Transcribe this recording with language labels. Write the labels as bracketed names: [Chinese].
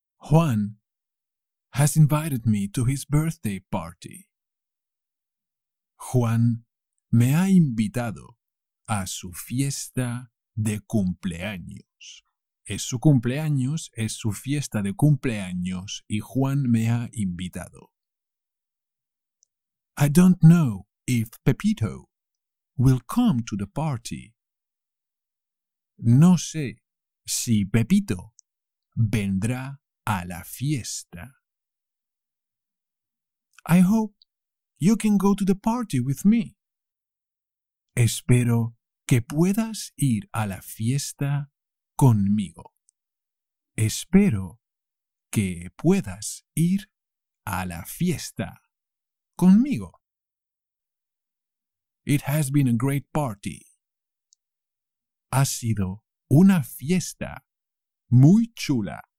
[English] Juan has invited me to his birthday party. [Spanish] Juan me ha invitado a su fiesta de cumpleaños. Es su cumpleaños, es su fiesta de cumpleaños y Juan me ha invitado. [English] I don't know if Pepito will come to the party. [Spanish] No sé si Pepito vendrá a la fiesta. [English] I hope you can go to the party with me. [Spanish] Espero que puedas ir a la fiesta conmigo. Espero que puedas ir a la fiesta conmigo. [English] It has been a great party. [Spanish] Ha sido una fiesta muy chula.